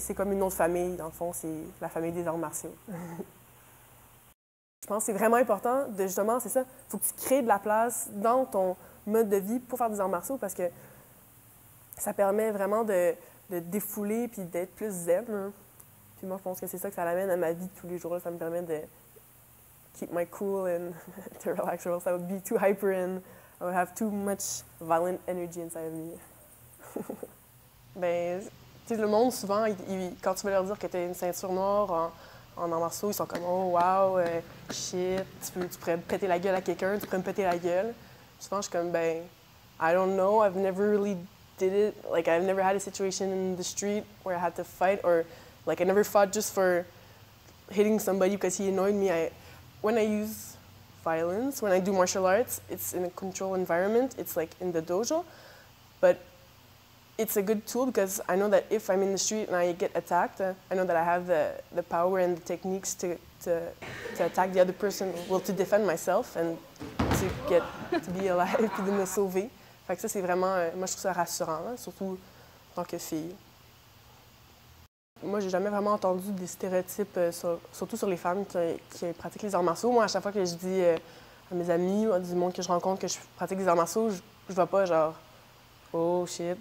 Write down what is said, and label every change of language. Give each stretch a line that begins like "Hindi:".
French: C'est comme une autre famille, dans le fond, c'est la famille des arts martiaux. Je pense que c'est vraiment important de justement, c'est ça, faut que tu crées de la place dans ton mode de vie pour faire des arts martiaux parce que ça permet vraiment de défouler puis d'être plus zen. Hein. Puis moi, je pense que c'est ça que ça amène à ma vie tous les jours. Ça me permet de
English: keep my cool and to relax, or else I would be too hyper and I would have too much violent energy inside of me. Ben, tu sais, le monde, souvent, quand tu vas leur dire que tu as une ceinture noire en arts martiaux, ils sont comme oh, wow, shit, tu pourrais me péter la gueule à quelqu'un, tu pourrais me péter la gueule.
French: Puis souvent, je suis comme, ben,
English: I don't know, I've never really did it. Like, I've never had a situation in the street where I had to fight, or like, I never fought just for hitting somebody because he annoyed me. When I use violence, when I do martial arts, it's in a controlled environment, it's like in the dojo, but it's a good tool because I know that if I'm in the street and I get attacked, I know that I have the power and the techniques to attack the other person, well, to defend myself and to be alive,
French: puis de me sauver. Fait que ça, c'est vraiment, moi, je trouve ça rassurant, hein, surtout en tant que fille. Moi, j'ai jamais vraiment entendu des stéréotypes, surtout sur les femmes qui pratiquent les arts martiaux. Moi, à chaque fois que je dis à mes amis ou à du monde que je rencontre que je pratique des arts martiaux, je vois pas genre « oh shit ».